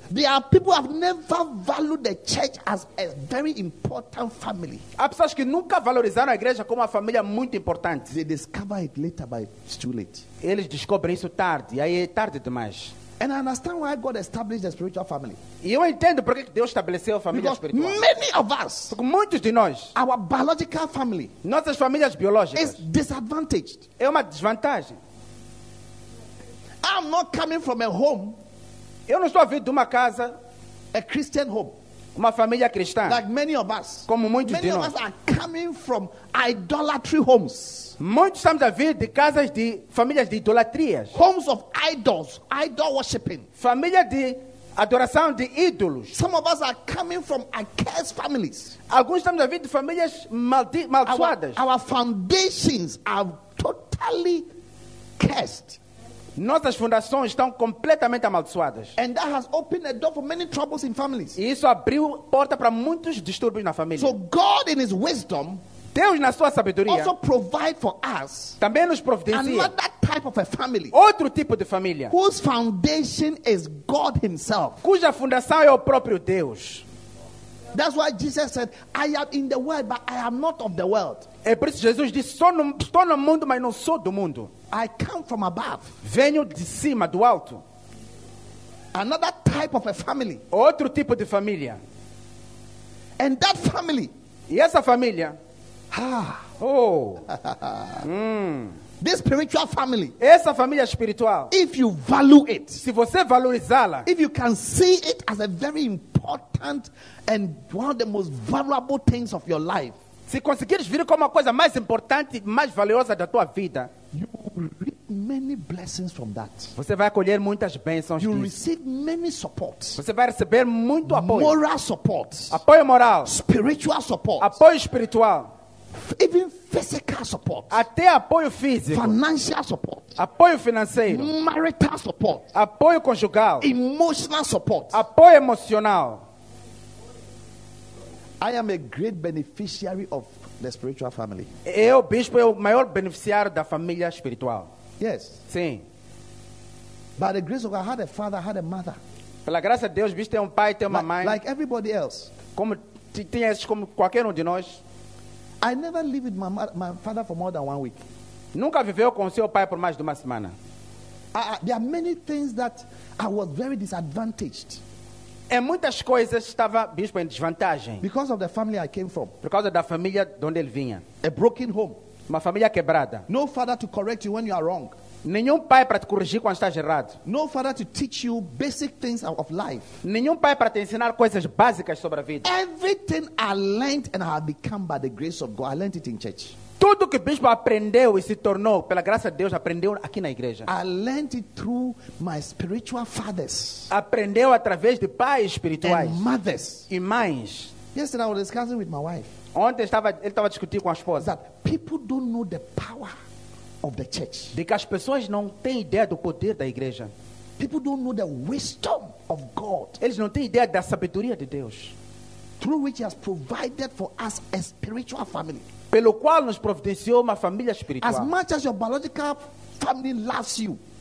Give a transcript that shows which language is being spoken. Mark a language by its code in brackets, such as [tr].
[en] There are people who have never valued the church as a very important family. [pt] Há pessoas que nunca valorizaram a igreja como uma família muito importante. [en] They discover it later, but it's too late. [pt] Eles descobrem isso tarde, aí é tarde demais. [en] And I understand why God established the spiritual family. [pt] E eu entendo por que Deus estabeleceu a família [en] Because [pt] espiritual. [en] Many of us, [pt] porque muitos de nós, [en] our biological family, [pt] nossas famílias biológicas, [en] is disadvantaged. [pt] É uma desvantagem. [en] I'm not coming from a home. [pt] Eu não estou a vir de uma casa, [en] a Christian home, [pt] uma família cristã. [en] Like many of us, [pt] como muitos de nós. [en] Many of us are coming from idolatry homes. [pt] Muitos estamos a vir de casas de famílias de idolatrias. [en] Homes of idols, idol worshiping. [pt] Família de Adoração de ídolos. [en] Some of us are coming from accursed families. [pt] Alguns estamos a vir de famílias maldiçoadas. [en] Our foundations are totally cursed. [pt] Nossas fundações estão completamente amaldiçoadas. [en] And that has opened a door for many troubles in families. [pt] E isso abriu porta para muitos distúrbios na família. [en] So God in his wisdom, [pt] Deus na sua sabedoria, [en] also provide for us, [pt] também nos providencia, [en] another type of a family, [pt] outro tipo de família, [en] whose foundation is God himself. [pt] Cuja fundação é o próprio Deus. [en] That's why Jesus said, I am in the world, but I am not of the world. [pt] É por isso que Jesus disse, estou no mundo, mas não sou do mundo. [en] I come from above. [pt] Venho de cima, do alto. [en] Another type of a family. [pt] Outro tipo de família. [en] And that family. [pt] E essa família. Ah. Oh. [en] This spiritual family. [pt] Essa família espiritual. [en] If you value it. [pt] Se você valorizá-la. [en] If you can see it as a very important and one of the most valuable things of your life. [pt] Se conseguires ver como a coisa mais importante e mais valiosa da tua vida, [en] you will reap many blessings from that. [pt] Você vai colher muitas bênçãos. [en] You will receive many supports. [pt] Você vai receber muito apoio. [en] Moral supports. [pt] Apoio moral. [en] Spiritual supports. [pt] Apoio espiritual. [en] Even physical support. [pt] Até apoio físico. [en] Financial support. [pt] Apoio financeiro. [en] Marital support. [pt] Apoio conjugal. [en] Emotional support. [pt] Apoio emocional. [en] I am a great beneficiary of the spiritual family. [pt] Eu, bispo, é o maior beneficiário da família espiritual. [en] Yes. [pt] Sim. [en] By the grace of God, I had a father, I had a mother. [pt] Pela graça de Deus, bispo, tem pai, tem mãe. [en] Like everybody else. [pt] Como tinhas como qualquer de nós. [en] I never lived with my father for more than 1 week. [pt] Nunca viveu com seu pai por mais de uma semana. [en] There are many things that I was very disadvantaged. [pt] Em muitas coisas estava bispo em desvantagem. [en] Because of the family I came from. [pt] Por causa da família de onde ele vinha. [en] A broken home. [pt] Uma família quebrada. [en] No father to correct you when you are wrong. [pt] Nenhum pai para te corrigir quando estás errado. [en] No father to teach you basic things of life. [pt] Nenhum pai para te ensinar coisas básicas sobre a vida. [en] Everything I learned and I have become by the grace of God. I learned it in church. [pt] Tudo que o bispo aprendeu e se tornou pela graça de Deus aprendeu aqui na igreja. [en] I learned it through my spiritual fathers. [pt] Aprendeu através de pais espirituais. [en] And mothers. [pt] E mães. [en] Yesterday I was discussing with my wife. [pt] Ontem ele estava discutindo com a esposa. [en] That people don't know the power of the church. [pt] De que as pessoas não têm ideia do poder da igreja. [en] People don't know the wisdom of God. [pt] Eles não têm ideia da sabedoria de Deus. [en] Through which he has provided for us a spiritual family. [pt] Pelo qual nos providenciou uma família espiritual. [en] As much as your biological family loves you.